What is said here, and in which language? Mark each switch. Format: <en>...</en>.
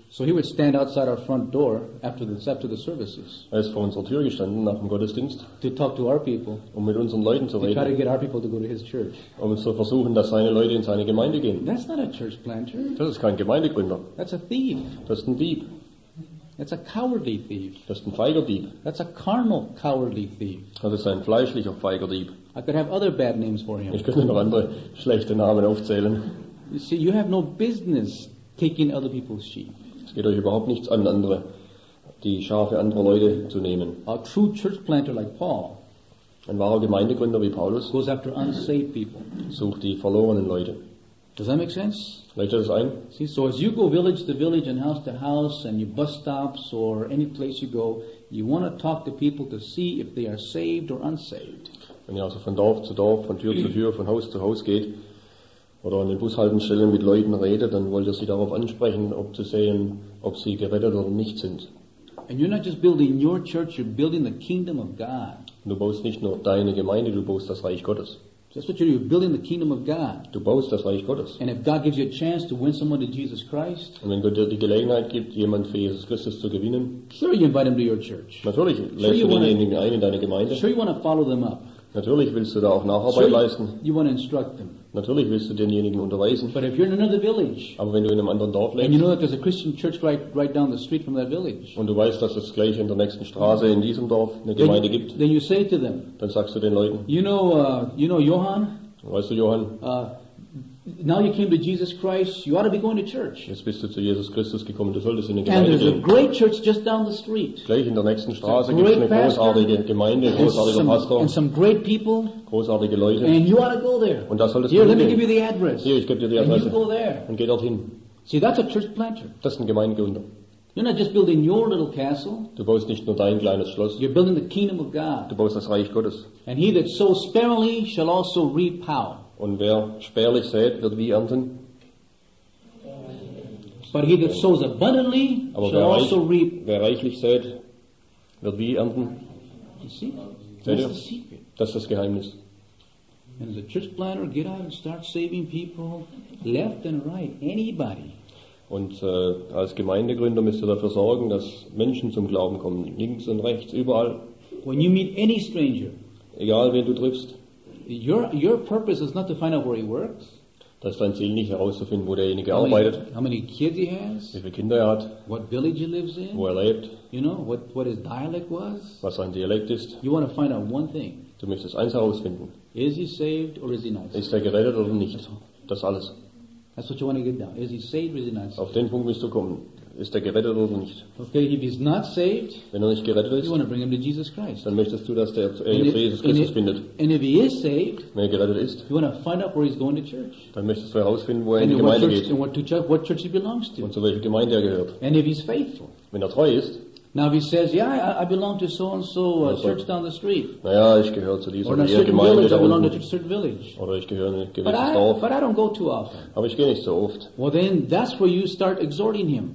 <en>So he would stand outside our front door after the services.</en> <de>Er ist vor unserer Tür gestanden nach dem Gottesdienst.</de> <en>To talk to our people.</en> <de>Um mit unseren Leuten zu reden.</de> <en>To try to get our people to go to his church.</en> <de>Um zu versuchen, dass seine Leute in seine Gemeinde gehen.</de> <en>That's not a church planter.</en> <de>Das ist kein Gemeindegründer.</de> <en>That's a thief.</en> <de>Das ist ein Dieb.</de> <en>That's a cowardly thief.</en> <de>Das ist ein feiger Dieb.</de> <en>That's a carnal cowardly thief.</en> <de>Das ist ein fleischlicher feiger Dieb.</de> <en>I could have other bad names for him.</en> <de>Ich könnte noch andere schlechte Namen aufzählen.</de> <en>You see, you have no business taking other people's sheep.</en> <de>Es geht euch überhaupt nichts an, andere, die Schafe anderer Leute zu nehmen.</de> <en>A true church planter like Paul,</en> <de>Ein wahrer Gemeindegründer wie Paulus</de> <en>goes after unsaved people.</en> <de>Sucht die verlorenen Leute.</de> <en>Does that make sense?</en> <de>Leuchtet das ein?</de> <en>See, so as you go village to village and house to house and your bus stops or any place you go, you want to talk to people to see if they are saved or unsaved.</en> <de>Wenn ihr also von Dorf zu Dorf, von Tür zu Tür, von Haus zu Haus geht oder an den Bushaltestellen mit Leuten redet, dann wollt ihr sie darauf ansprechen, ob zu sehen, ob sie gerettet oder nicht sind.</de> <en>And you're not just building your church, you're building the kingdom of God.</en> <de>Du baust nicht nur deine Gemeinde, du baust das Reich Gottes.</de> <en>That's what you do. You're building the kingdom of God.</en> <de>Du baust das Reich Gottes.</de> <en>And if God gives you a chance to win someone to Jesus Christ,</en> <de>und wenn Gott dir die Gelegenheit gibt, jemanden für Jesus Christus zu gewinnen,</de> <en>sure you invite him to your church.</en> <de>Natürlich lässt du denjenigen ein in deine Gemeinde.</de> <en>Sure you want to follow them up.</en> <de>Natürlich willst du da auch Nacharbeit leisten.</de> <en>You want to instruct them.</en> <de>Natürlich willst du denjenigen unterweisen.</de> <en>But if you're in another village,</en> <de>aber wenn du in einem anderen Dorf lebst,</de> <en>and you know that there's a Christian church right down the street from that village,</en> <de>und du weißt, dass es gleich in der nächsten Straße in diesem Dorf eine Gemeinde gibt,</de> <en>then you say to them,</en> <de>dann sagst du den Leuten,</de> <en>you know Johann,</en> <de>weißt du Johann,</de> <en>now you came to Jesus Christ, you ought to be going to church.</en> <de>Jetzt bist du zu Jesus Christus gekommen, du solltest in eine</de> <en>And there's a great church just down the street.</en> <de>Gleich in der nächsten Straße gibt es eine großartige Gemeinde, großartiger Pastor.</de> <en>And some great people.</en> <de>Großartige Leute.</de> <en>And you ought to go there.</en> <de>Und da solltest du hingehen.</de> <en>Here, let me give you the address.</en> <de>Hier, ich gebe dir die Adresse.</de> <en>And you go there.</en> <de>Und geh dorthin.</de> <en>See, that's a church planter.</en> <de>Das ist ein Gemeindegründer.</de> <en>You're not just building your little castle.</en> <de>Du baust nicht nur dein kleines Schloss.</de> <en>You're building the kingdom of God.</en> <de>Du baust das Reich Gottes.</de> <en>And he that sows sparingly shall also reap how.</en> <de>Und wer spärlich sät, wird wie ernten.</de> <en>But he that sows abundantly shall also reap.</en> <de>Wer reichlich sät, wird wie ernten.</de> <en>See? That's the secret.</en> <de>Das ist das Geheimnis.</de> <en>And as a church planner, get out and start saving people left and right. Anybody.</en> <de>Und als Gemeindegründer müsst ihr dafür sorgen, dass Menschen zum Glauben kommen. Links und rechts, überall.</de> <en>When you meet any stranger.</en> <de>Egal, wen du triffst.</de> <en>Your purpose is not to find out where he works.</en> <de>Das ist dein Ziel, nicht herauszufinden, wo derjenige arbeitet.</de> <en>How many kids he has?</en> <de>Wie viele Kinder er hat?</de> <en>What village he lives in?</en> <de>Wo er lebt?</de> <en>You know what his dialect was?</en> <de>Was sein Dialekt ist?</de> <en>You want to find out one thing.</en> <de>Du möchtest eins herausfinden.</de> <en>Is he saved or is he not?</en> <de>Ist er gerettet oder nicht? Das ist alles.</de> <en>That's what you want to get down. Is he saved or is he not?</en> <de>Auf den Punkt musst du kommen. Ist er gerettet oder nicht?</de> <en>Okay, if he's not saved,</en> <de>wenn er nicht gerettet ist,</de> <en>you want to bring him to Jesus Christ.</en> <de>Dann möchtest du, dass er zu Jesus Christus findet.</de> <en>And if he is saved,</en> <de>wenn er gerettet ist,</de> <en>you want to find out where he's going to church.</en> <de>Dann möchtest du herausfinden, wo er in die Gemeinde geht.</de> <en>And what church he belongs to.</en> <de>Und zu welcher Gemeinde er gehört.</de> <en>And if he's faithful.</en> <de>Wenn er treu ist.</de> <en>Now if he says, yeah, I belong to so and so church down the street.</en> <de>Naja, ich gehöre zu dieser Gemeinde. Oder ich gehöre in ein gewisses Dorf.</de> <en>But I don't go too often.</en> <de>Aber ich gehe nicht so oft.</de> <en>Well, then that's where you start exhorting him.</en>